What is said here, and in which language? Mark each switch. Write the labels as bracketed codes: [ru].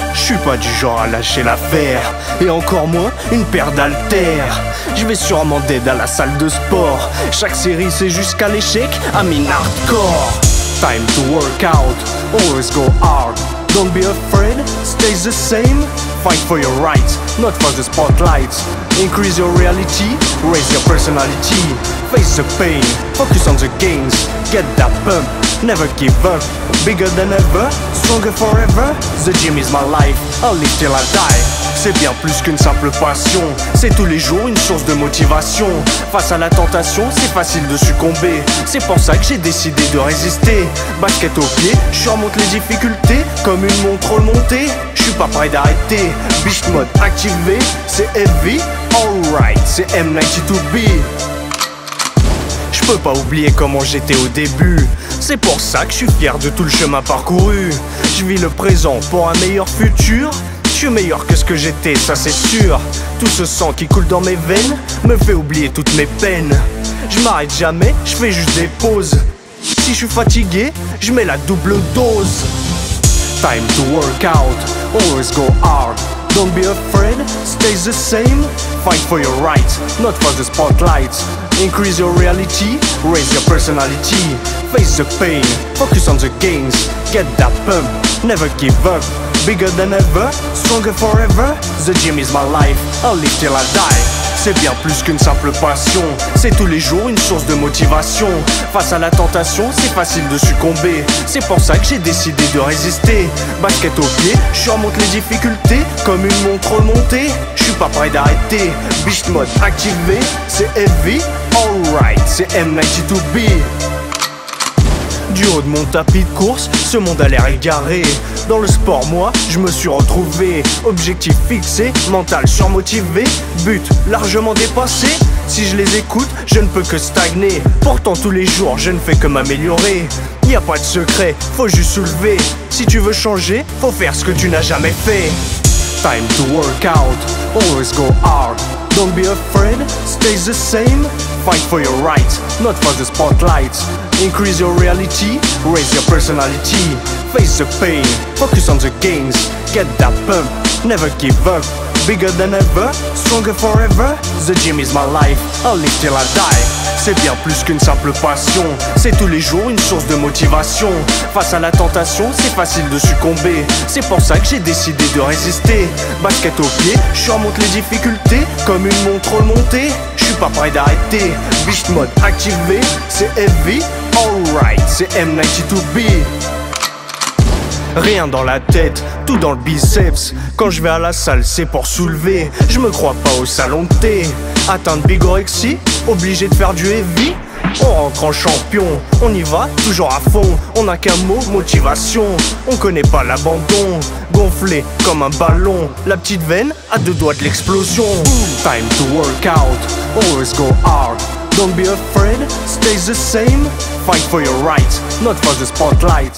[fr] suis pas du genre à lâcher l'affaire, et encore moins une paire d'haltères. Je vais sûrement dead à la salle de sport. Chaque série c'est jusqu'à l'échec, [en] I'm in hardcore. Time to work out, always go hard. Don't be afraid, stay the same. Fight for your rights, not for the spotlight. Increase your reality, raise your personality. Face the pain, focus on the gains. Get that pump, never give up. Bigger than ever, stronger forever. The gym is my life, I'll live till I die. [fr] C'est bien plus qu'une simple passion. C'est tous les jours une source de motivation. Face à la tentation, c'est facile de succomber. C'est pour ça que j'ai décidé de résister. Basket au pied, je surmonte les difficultés. Comme une montre remontée, je suis pas prêt d'arrêter. Beast mode activé, c'est heavy. Alright, c'est M92B. Je peux pas oublier comment j'étais au début. C'est pour ça que je suis fier de tout le chemin parcouru. Je vis le présent pour un meilleur futur. Je suis meilleur que ce que j'étais, ça c'est sûr. Tout ce sang qui coule dans mes veines me fait oublier toutes mes peines. Je m'arrête jamais, je fais juste des pauses. Si je suis fatigué, je mets la double dose. [en] Time to work out, always go hard. Don't be afraid, stay the same. Fight for your rights, not for the spotlight. Increase your reality, raise your personality. Face the pain, focus on the gains. Get that pump, never give up. Bigger than ever, stronger forever. The gym is my life, I'll live till I die. [fr] C'est bien plus qu'une simple passion. C'est tous les jours une source de motivation. Face à la tentation, c'est facile de succomber. C'est pour ça que j'ai décidé de résister. Basket au pied, je surmonte les difficultés. Comme une montre remontée, je suis pas prêt d'arrêter. Beast mode activé, c'est heavy. Alright, c'est M92B. Du haut de mon tapis de course, ce monde a l'air égaré. Dans le sport, moi, je me suis retrouvé. Objectif fixé, mental surmotivé. But largement dépassé. Si je les écoute, je ne peux que stagner. Pourtant tous les jours, je ne fais que m'améliorer. Y'a pas de secret, faut juste soulever. Si tu veux changer, faut faire ce que tu n'as jamais fait. [en] Time to work out, always go hard. Don't be afraid, stay the same. Fight for your rights, not for the spotlight. Increase your reality, raise your personality. Face the pain, focus on the gains. Get that pump, never give up. Bigger than ever, stronger forever. The gym is my life, I'll live till I die. [fr] C'est bien plus qu'une simple passion. C'est tous les jours une source de motivation. Face à la tentation, c'est facile de succomber. C'est pour ça que j'ai décidé de résister. Basket au pied, je surmonte les difficultés. Comme une montre remontée, je suis pas prêt d'arrêter. Beast mode activé, c'est heavy. Alright, c'est M92B. Rien dans la tête, tout dans le biceps. Quand je vais à la salle, c'est pour soulever. Je me crois pas au salon de thé. Atteint de bigorexie, obligé de faire du heavy. On rentre en champion, on y va, toujours à fond. On n'a qu'un mot, motivation. On connaît pas l'abandon. Gonflé comme un ballon. La petite veine à deux doigts de l'explosion. [en] Time to work out, always go hard. Don't be afraid, stay the same. Fight for your rights, not for the spotlight.